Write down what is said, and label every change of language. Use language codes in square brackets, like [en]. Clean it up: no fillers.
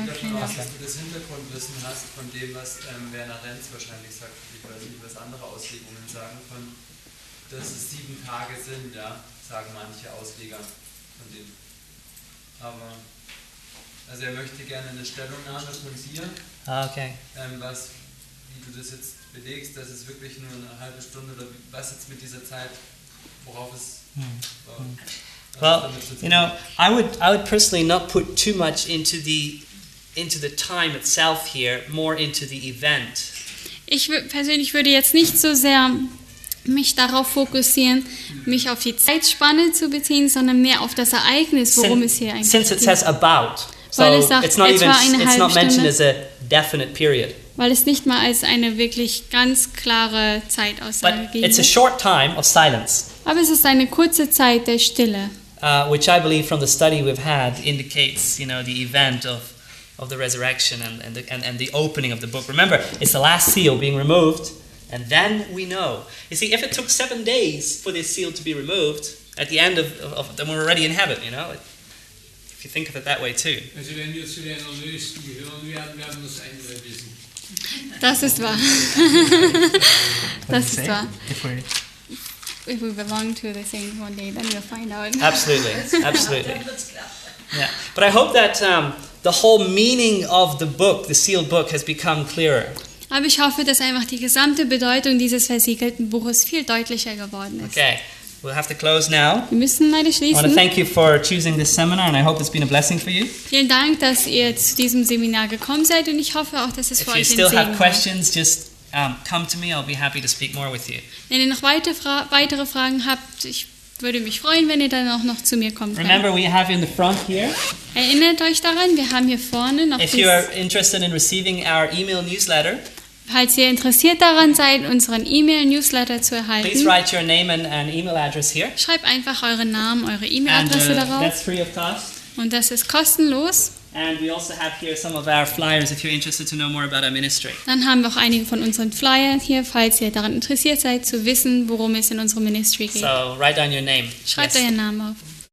[de] du das Hintergrundwissen hast von dem, was Werner Renz wahrscheinlich sagt, ich weiß nicht, was andere Auslegungen sagen, von, dass es sieben Tage sind, ja, sagen manche Ausleger von dem. Aber, also er möchte gerne eine Stellungnahme von dir, was, wie du das jetzt belegst, dass es wirklich nur eine halbe Stunde, oder was jetzt mit dieser Zeit, worauf es war. [en] Well, you know, I would personally not put too much into the time itself here, more into the event. [de] Ich persönlich würde jetzt nicht so sehr mich darauf fokussieren, mich auf die Zeitspanne zu beziehen, sondern mehr auf das Ereignis, worum es hier eigentlich geht. [en] Since it says about, so it's not mentioned as a definite period. [de] Weil es nicht mal als eine wirklich ganz klare Zeitaussage gibt. [en] But it's a short time of silence. [de] Aber es ist eine kurze Zeit der Stille. [en] Which I believe from the study we've had indicates, you know, the event of the resurrection and the opening of the book. Remember, it's the last seal being removed, and then we know. You see, if it took 7 days for this seal to be removed, at the end of then we're already in heaven, you know? If you think of it that way too. [de] Also wenn wir zu den Erlösten gehören, werden wir das Ende wissen. Das ist wahr. Das ist wahr. [en] If we belong to the saints one day, then we'll find out. Absolutely, absolutely. Yeah, but I hope that the whole meaning of the book, the sealed book, has become clearer. [de] Aber ich hoffe, dass einfach die gesamte Bedeutung dieses versiegelten Buches viel deutlicher geworden ist. [en] Okay, we'll have to close now. [de] Wir müssen leider schließen. [en] I want to thank you for choosing this seminar, and I hope it's been a blessing for you. [de] Vielen Dank, dass ihr zu diesem Seminar gekommen seid, und ich hoffe auch, dass es für euch ein Segen war. [en] If you still have questions, just come to me, I'll be happy to speak more with you. [de] Wenn ihr noch weitere Fragen habt, ich würde mich freuen, wenn ihr dann auch noch zu mir kommt. [en] Remember, we have in the front here. [de] Erinnert euch daran, wir haben hier vorne noch. [en] If you are interested in receiving our email newsletter. [de] Falls ihr interessiert daran seid, unseren E-Mail-Newsletter zu erhalten. [en] Please write your name and email address here. [de] Schreibt einfach euren Namen, eure E-Mail-Adresse darauf. [en] That's free of cost. [de] Und das ist kostenlos. [en] And we also have here some of our flyers if you're interested to know more about our ministry. [de] Dann haben wir auch einige von unseren Flyern hier, falls ihr daran interessiert seid, zu wissen, worum es in unserem Ministry geht. [en] So, write down your name. [de] Schreibt euren Namen auf.